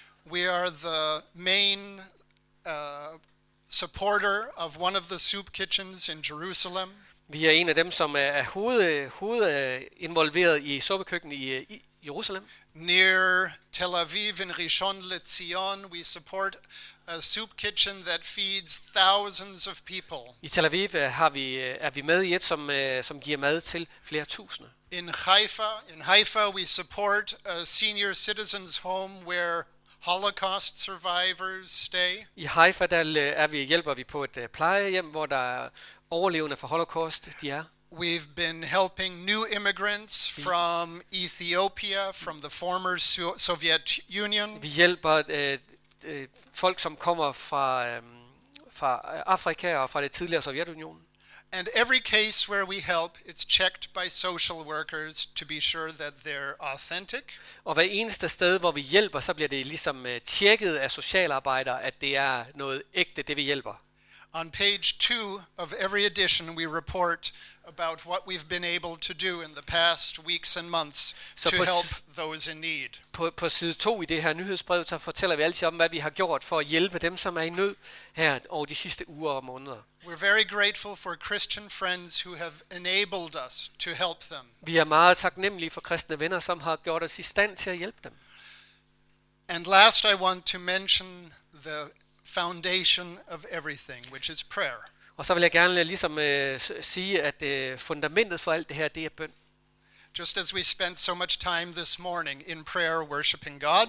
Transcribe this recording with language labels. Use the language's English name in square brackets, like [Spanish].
[English] We are the main supporter of one of the soup kitchens in Jerusalem. [Danish] Vi er en af dem som er hoved involveret i suppekøkkenet i Jerusalem. [English] Near Tel Aviv in Rishon LeZion, we support a soup kitchen that feeds thousands of people. [Danish] I Tel Aviv er vi med i et som giver mad til flere tusinde. [English] In Haifa we support a senior citizens home where Holocaust survivors stay. [Danish] I Haifa hjælper vi på et plejehjem hvor der overlevende fra Holocaust, de er. [English] We've been helping new immigrants from Ethiopia, from the former Soviet Union. [Danish] Vi hjælper folk, som kommer fra Afrika og fra det tidligere Sovjetunionen. [English] And every case where we help, it's checked by social workers to be sure that they're authentic. [Danish] Og hver eneste sted, hvor vi hjælper, så bliver det ligesom tjekket af socialarbejdere, at det er noget ægte, det vi hjælper. [English] On page 2 of every edition we report about what we've been able to do in the past weeks and months to help those in need. [Danish] På side 2 i det her nyhedsbrev så fortæller vi altid om hvad vi har gjort for at hjælpe dem som er i nød her over de sidste uger og måneder. [English] We're very grateful for Christian friends who have enabled us to help them. [Danish] Vi er meget taknemmelige for kristne venner som har gjort os i stand til at hjælpe dem. [English] And last I want to mention the foundation of everything, which is prayer. [Danish] Og så vil jeg gerne ligesom sige, at fundamentet for alt det her, det er bøn. [English] Just as we spent so much time this morning in prayer, worshiping God.